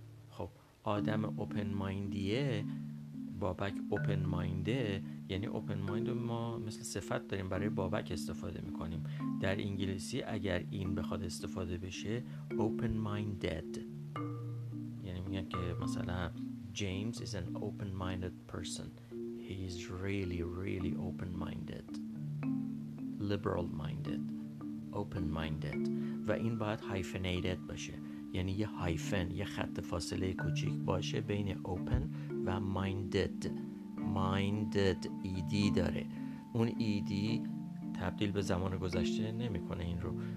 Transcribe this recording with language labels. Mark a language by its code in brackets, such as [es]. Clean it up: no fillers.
[fa] خب آدم open mindیه، بابک open minded، یعنی open mind ما مثل صفت داریم برای بابک استفاده میکنیم. در انگلیسی اگر این بخواد استفاده بشه open minded، یعنی میگن که مثلا [en] James is an open minded person. He is really really open minded. Liberal minded. Open minded. [fa] و این باید hyphenated باشه. یعنی یه هایفن، یه خط فاصله کوچیک باشه بین open و minded. Minded ایدی داره. اون ایدی تبدیل به زمان گذشته نمیکنه این رو.